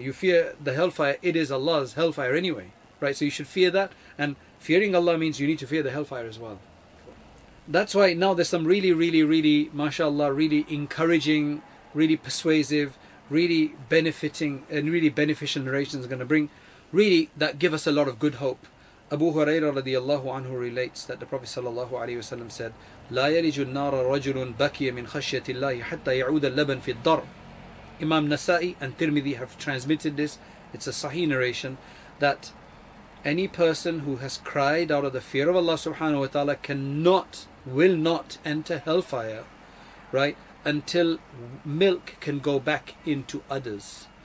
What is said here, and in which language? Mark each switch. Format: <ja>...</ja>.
<en>You fear the hellfire, it is Allah's hellfire anyway, right? So you should fear that. And fearing Allah means you need to fear the hellfire as well. That's why now there's some really, really, really, mashallah, really encouraging, really persuasive, really benefiting and really beneficial narrations going to bring, really, that give us a lot of good hope. Abu Huraira radiallahu anhu relates that the Prophet sallallahu alayhi wasallam said,</en> <ar>لا يلج النار رجل بكي من خشية الله حتى يعود اللبن في الدر.</ar> <en>Imam Nasa'i and Tirmidhi have transmitted this. It's a sahih narration that any person who has cried out of the fear of Allah subhanahu wa ta'ala cannot, will not enter hellfire, right, until milk can go back into udders.</en>